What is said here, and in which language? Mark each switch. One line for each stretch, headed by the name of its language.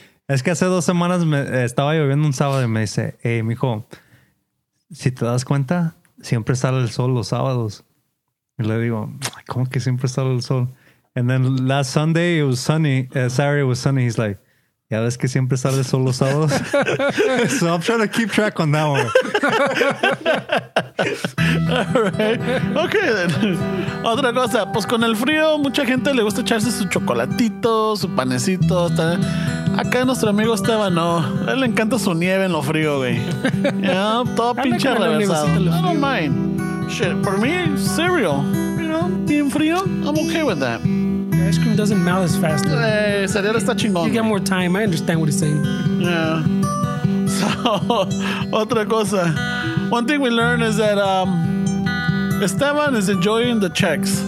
Spanish: Es que hace dos semanas estaba lloviendo un sábado y me dice, hey, mijo, si te das cuenta, siempre sale el sol los sábados. Y le digo, ¿cómo que siempre sale el sol?
English: And then last Sunday it was sunny, Saturday it was sunny. He's like,
Spanish: ¿ya ves que siempre sale el sol los sábados?
English: So I'm trying to keep track on that one. All right. Okay, then.
Spanish: Otra cosa, pues con el frío, mucha gente le gusta echarse su chocolatito, su panecito, hasta... Acá nuestro amigo Esteban, no. A él le encanta su nieve en lo frío, güey.
English: Yeah,
Spanish: todo pinche reversado.
English: I don't mind. Shit, for me, cereal. You know,
Spanish: bien frío,
English: I'm okay with that. The ice cream doesn't melt as fast.
Spanish: Cereal está chingón.
English: You get more time, I understand what he's saying. Yeah. So,
Spanish: otra cosa.
English: One thing we learn is that Esteban is enjoying the checks.